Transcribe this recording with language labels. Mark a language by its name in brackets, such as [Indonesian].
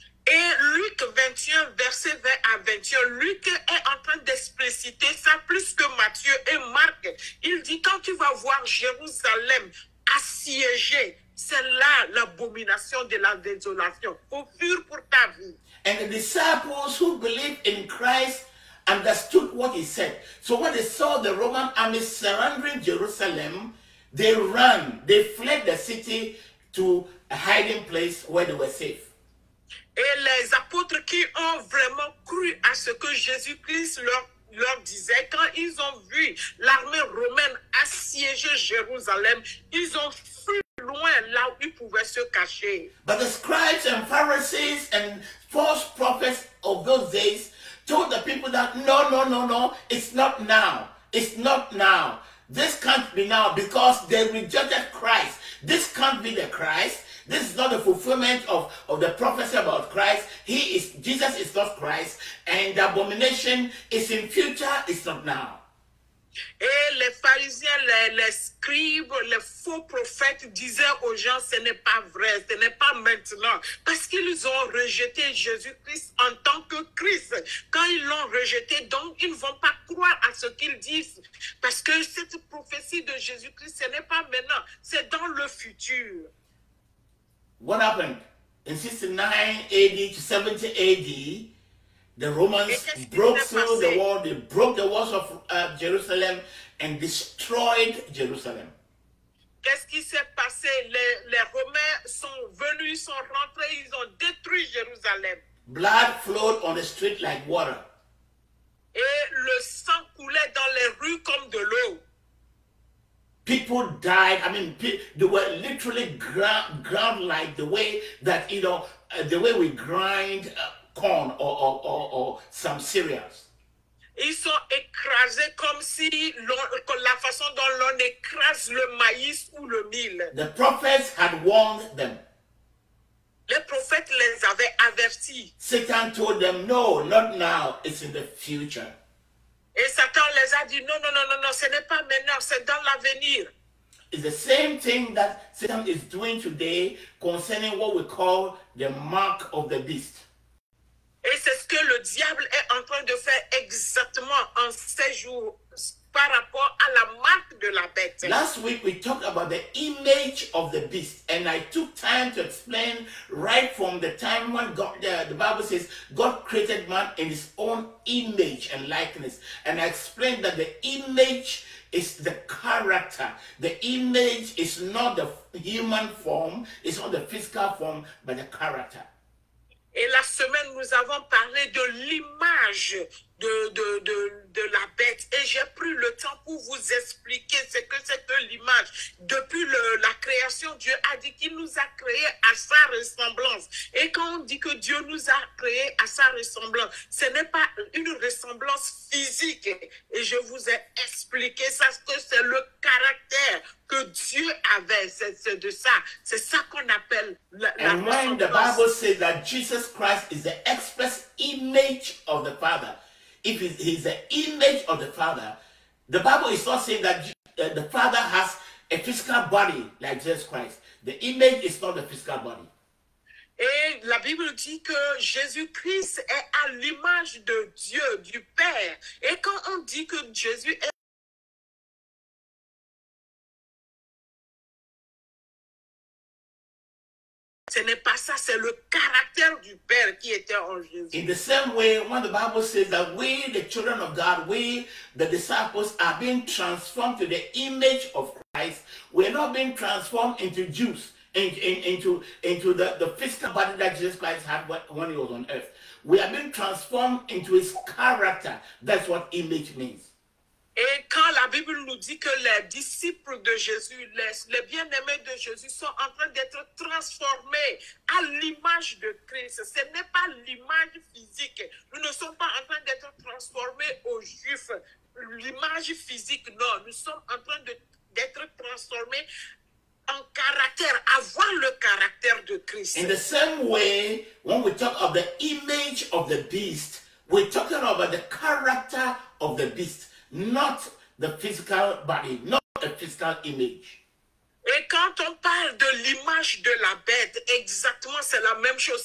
[French] Et Luc 21, verset 20 à 21, Luc est en train d'expliciter ça plus que Matthieu et Marc. Il dit, quand tu vas voir Jérusalem assiégée, c'est là l'abomination de la désolation. Faut fuir pour ta vie. [English] And the disciples who believed in Christ understood what he said. So when they saw the Roman army surrounding Jerusalem, they ran, they fled the city to a hiding place where they were safe. [French] Et les apôtres qui ont vraiment cru à ce que Jésus-Christ leur disait, quand ils ont vu l'armée romaine assiéger Jérusalem, ils ont fui loin là où ils pouvaient se cacher. [English] But the scribes and Pharisees and false prophets of those days told the people that no, it's not now. It's not now. This can't be now because they rejected Christ. This can't be the Christ. This is not the fulfillment of the prophecy about Christ. Jesus is not Christ. And the abomination is in future, it's not now. [French] Et les pharisiens, les scribes, les faux prophètes disaient aux gens, ce n'est pas vrai, ce n'est pas maintenant. Parce qu'ils ont rejeté Jésus-Christ en tant que Christ. Quand ils l'ont rejeté, donc ils ne vont pas croire à ce qu'ils disent. Parce que cette prophétie de Jésus-Christ, ce n'est pas maintenant, c'est dans le futur. [English] What happened? In 69 AD to 70 AD, the Romans broke through the wall. They broke the walls of Jerusalem and destroyed Jerusalem. [French] Qu'est-ce qui s'est passé? Les Romains sont venus, sont rentrés, ils ont détruit Jérusalem. [English] Blood flowed on the street like water. [French] Et le sang coulait dans les rues comme de l'eau. [English] People died. I mean, they were literally ground like the way that, you know, the way we grind corn or some cereals. [French] Ils sont écrasés comme si la façon dont l'on écrase le maïs ou le mil. [English] The prophets had warned them. [French] Les prophètes les avaient avertis. [English] Satan told them, no, not now, it's in the future. [French] Et Satan les a dit, non, ce n'est pas maintenant, c'est dans l'avenir. [English] It's the same thing that Satan is doing today concerning what we call the mark of the beast. [French] Et c'est ce que le diable est en train de faire exactement en ces jours par rapport à la marque de la bête. [English] Last week we talked about the image of the beast, and I took time to explain right from the time when God, the Bible says God created man in his own image and likeness, and I explained that the image is the character. The image is not the human form, it's not the physical form, but the character. [French] Et la semaine, nous avons parlé de l'image de la bête. Et j'ai pris le temps pour vous expliquer ce que c'est que l'image. Depuis la création, Dieu a dit qu'il nous a créés à sa ressemblance. Et quand on dit que Dieu nous a créés à sa ressemblance, ce n'est pas une ressemblance physique. Et je vous ai expliqué ça, ce que c'est le caractère que Dieu avait. C'est de ça. C'est ça qu'on appelle la ressemblance. [English] And when the Bible says that Jesus Christ is the express image of the Father, if he's the image of the Father, the Bible is not saying that the Father has a physical body like Jesus Christ. The image is not the physical body. [French] Et la Bible dit que Jésus-Christ est à l'image de Dieu, du Père. Et quand on dit que Jésus est... Ce n'est pas ça, c'est le caractère du Père qui était en [English] In [French] Jésus. [English] the same way, when the Bible says that we, the children of God, we, the disciples, are being transformed to the image of Christ, we're not being transformed into Jews, into the physical body that Jesus Christ had when he was on earth. We are being transformed into his character. That's what image means. [French] Et quand la Bible nous dit que les disciples de Jésus, les bien-aimés de Jésus sont en train d'être transformés à l'image de Christ, ce n'est pas l'image physique. Nous ne sommes pas en train d'être transformés aux Juifs. L'image physique, non. Nous sommes en train d'être transformés en caractère, avoir le caractère de [English] In [French] Christ. [English] the same way, when we talk of the image of the beast, we're talking about the character of the beast, not the physical body, not a physical image. [French] Et quand on parle de l'image de la bête, exactement, c'est la même chose.